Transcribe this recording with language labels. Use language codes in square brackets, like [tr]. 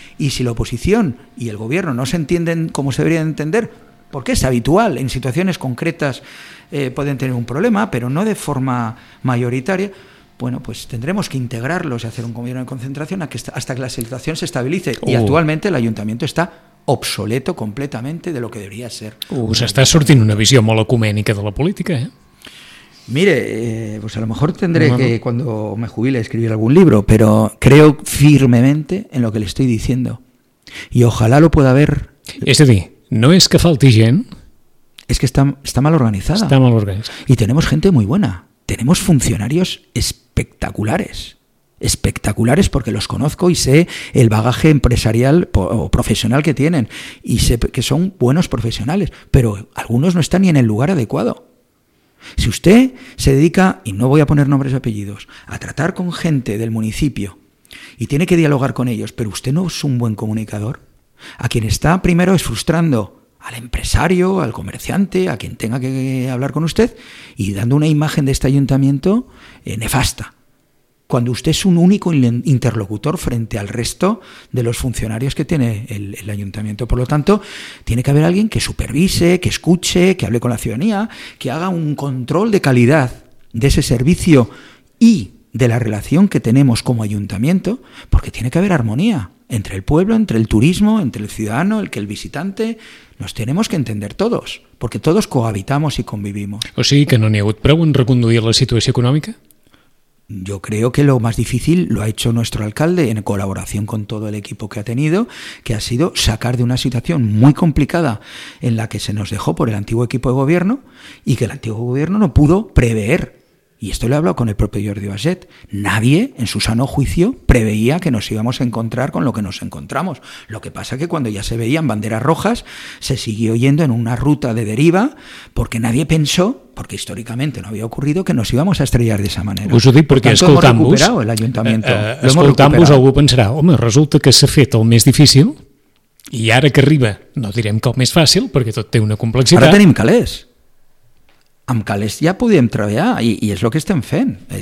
[es] Y si la oposición y el gobierno no se entienden como se deberían entender, porque es habitual, en situaciones concretas pueden tener un problema, pero no de forma mayoritaria, bueno, pues tendremos que integrarlos y hacer un gobierno de concentración hasta que la situación se estabilice. Y actualmente el ayuntamiento está obsoleto completamente de lo que debería ser. [ca] S'està sortint una visió molt ecumènica de la política, eh? [es] Mire, pues a lo mejor tendré que, cuando me jubile, escribir algún libro, pero creo firmemente en lo que le estoy diciendo. Y ojalá lo pueda ver. [ca] És a dir, no és que falti gent. És que està mal organitzada. Està mal organitzada. [es] I tenemos gente muy buena. Tenemos funcionarios espectaculares. Espectaculares porque los conozco y sé el bagaje empresarial o profesional que tienen y sé que son buenos profesionales, pero algunos no están ni en el lugar adecuado. Si usted se dedica, y no voy a poner nombres y apellidos, a tratar con gente del municipio y tiene que dialogar con ellos, pero usted no es un buen comunicador, a quien está primero es frustrando al empresario, al comerciante, a quien tenga que hablar con usted y dando una imagen de este ayuntamiento nefasta. Cuando usted es un único interlocutor frente al resto de los funcionarios que tiene el ayuntamiento. Por lo tanto, tiene que haber alguien que supervise, que escuche, que hable con la ciudadanía, que haga un control de calidad de ese servicio y de la relación que tenemos como ayuntamiento, porque tiene que haber armonía entre el pueblo, entre el turismo, entre el ciudadano, el visitante. Nos tenemos que entender todos, porque todos cohabitamos y convivimos. [ca] O sigui que no n'hi ha hagut prou en reconduir la situació econòmica? [es] Yo creo que lo más difícil lo ha hecho nuestro alcalde en colaboración con todo el equipo que ha tenido, que ha sido sacar de una situación muy complicada en la que se nos dejó por el antiguo equipo de gobierno y que el antiguo gobierno no pudo prever. Y esto lo he hablado con el propio Jordi Basset. Nadie, en su sano juicio, preveía que nos íbamos a encontrar con lo que nos encontramos. Lo que pasa es que cuando ya se veían banderas rojas, se siguió yendo en una ruta de deriva porque nadie pensó, porque históricamente no había ocurrido, que nos íbamos a estrellar de esa manera. [ca] Us ho dic perquè, escoltant-vos, [es] hemos recuperado el ayuntamiento. [ca] Escoltant-vos, algú pensarà, home, resulta que s'ha fet el més difícil i ara que arriba, no direm que el més fàcil, perquè tot té una complexitat. Ara tenim calés. Amb calés ja podem treballar i és el que estem fent.